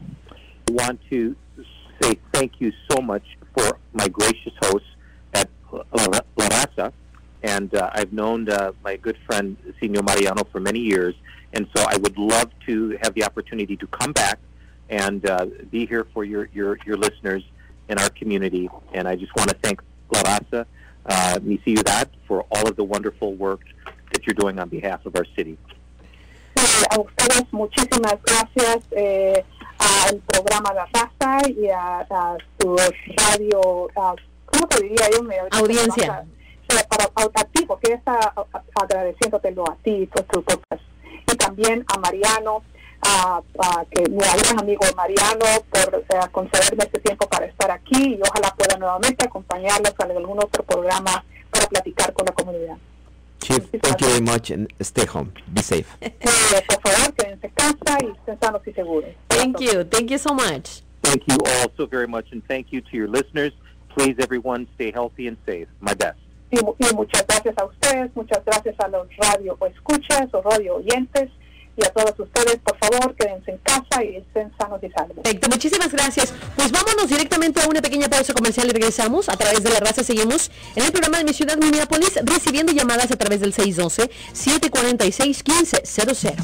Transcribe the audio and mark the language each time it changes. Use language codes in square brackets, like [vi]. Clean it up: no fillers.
[en] I want to say thank you so much for my gracious host at La Raza, and I've known my good friend Señor Mariano for many years. And so I would love to have the opportunity to come back and be here for your listeners in our community. And I just want to thank La Raza, mi ciudad, for all of the wonderful work that you're doing on behalf of our city. [es] A ustedes muchísimas gracias al programa La Raza y a su radio, ¿cómo te diría yo? Audiencia. A ti, porque está agradeciéndotelo a ti y por tu podcast. Y también a Mariano, que mi gran amigo Mariano, por concederme este tiempo para estar aquí, y ojalá pueda nuevamente acompañarlos en algún otro programa para platicar con la comunidad. [en] Chief, thank you very much, and stay home. Be safe. [es] Por favor, quédense en casa y estén sanos y seguros. [en] Thank you so much. Thank you all so very much, and thank you to your listeners. Please, everyone, stay healthy and safe. My best. [es] Y muchas gracias a ustedes, muchas gracias a los radio o escuchas o radio oyentes, y a todos ustedes, por favor, quédense en casa y estén sanos y salvos. Perfecto, muchísimas gracias. Pues vámonos directamente a una pequeña pausa comercial y regresamos a través de La Raza. Seguimos en el programa de Mi Ciudad Minneapolis, recibiendo llamadas a través del 612-746-1500.